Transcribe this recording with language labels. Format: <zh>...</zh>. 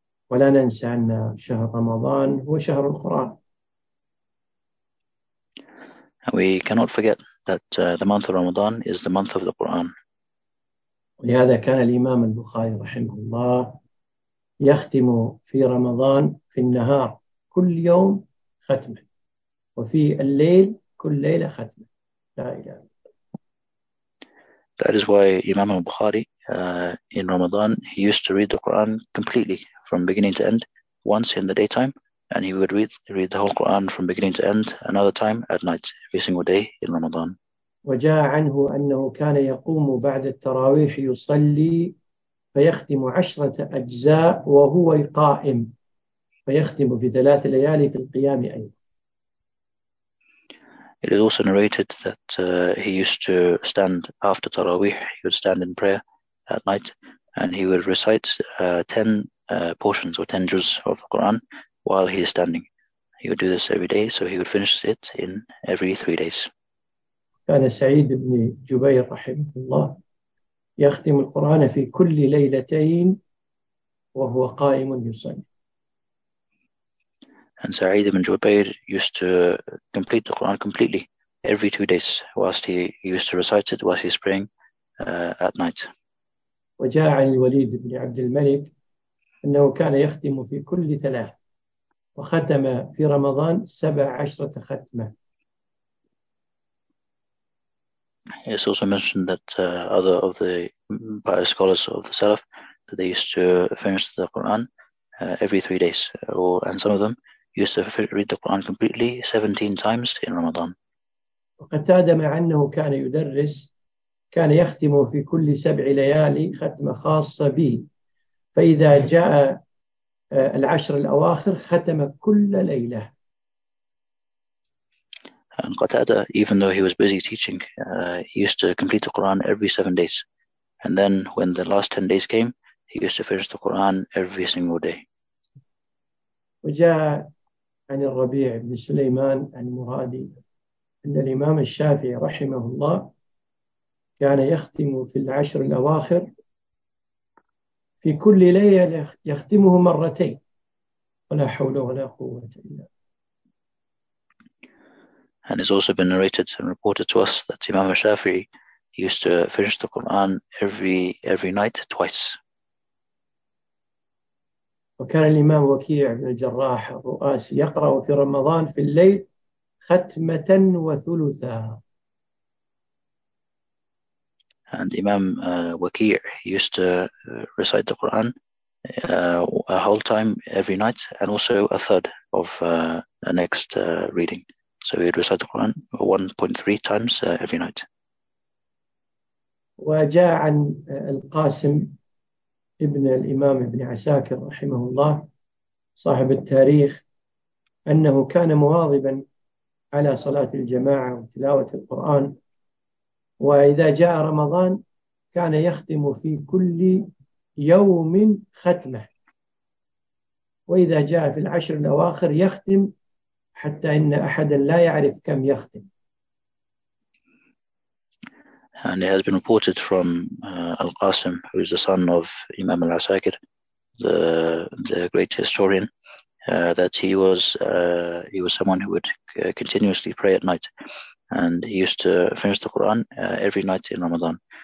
<ar>ولا ننسى أن شهر رمضان هو شهر القرآن.</ar> <en>And we cannot forget that the month of Ramadan is the month of the Quran.</en> <ar>ولهذا كان الإمام البخاري رحمه الله يختم في رمضان في النهار كل يوم ختمة وفي الليل كل ليلة ختمة. لا إله.</ar> <en>That is why Imam al-Bukhari in Ramadan, he used to read the Quran completely from beginning to end once in the daytime, and he would read the whole Quran from beginning to end another time at night, every single day in Ramadan.</en> <ar>وجاء عنه أنه كان يقوم بعد التراويح يصلي فيختم عشرة أجزاء وهو قائم فيختم في ثلاث ليالي في القيام أيضا.</ar> <en>It is also narrated that he used to stand after Tarawih, he would stand in prayer at night, and he would recite 10 portions or 10 juz of the Quran while he is standing. He would do this every day, so he would finish it in every 3 days.</en> <ar>كان سعيد بن جبير رحمه الله يختم القرآن في كل ليلتين وهو قائم يصلي.</ar> <en>And Sa'id ibn Jubayr used to complete the Quran completely every 2 days whilst he used to recite it whilst he's praying at night.</en> <ar>وجاء عن الوليد بن عبد الملك أنه كان يختم في كل ثلاث وختم في رمضان 17 ختمة.</ar> <en>It's also mentioned that other of the pious scholars of the Salaf that they used to finish the Quran every 3 days, and some of them used to read the Quran completely 17 times in Ramadan.</en> <ar>وقتادة مع أنه كان يدرس كان يختم في كل سبع ليالي ختمة خاصة به فإذا جاء العشر الأواخر ختم كل ليلة.</ar> <en>And Qatada, even though he was busy teaching, he used to complete the Quran every 7 days. And then when the last 10 days came, he used to finish the Quran every single day.</en> <ar>وجاء عن الربيع بن سليمان المرادي أن الإمام الشافعي رحمه الله كان يختم في العشر الأواخر في كل ليلة يختمه مرتين ولا حول ولا قوة إلا.</ar> <en>And it's also been narrated and reported to us that Imam al-Shafi'i used to finish the Quran every night twice.</en> <ar>وكان الإمام وكيع بن الجراح الرؤاسي يقرأ في رمضان في الليل ختمة وثلثا.</ar> <en>And Imam Waqi' used to recite the Quran a whole time every night and also a third of the next reading. So he would recite the Quran 1.3 times every night.</en> <ar>وجاء عن القاسم ابن الإمام ابن عساكر رحمه الله صاحب التاريخ أنه كان مواظبا على صلاة الجماعة وتلاوة القرآن وإذا جاء رمضان كان يختم في كل يوم ختمة وإذا جاء في العشر الأواخر يختم حتى إن أحدا لا يعرف كم يختم.</ar> <en>And it has been reported from Al-Qasim, who is the son of Imam Al-Asakir, the great historian, that he was someone who would continuously pray at night, and he used to finish the Quran every night in Ramadan.</en>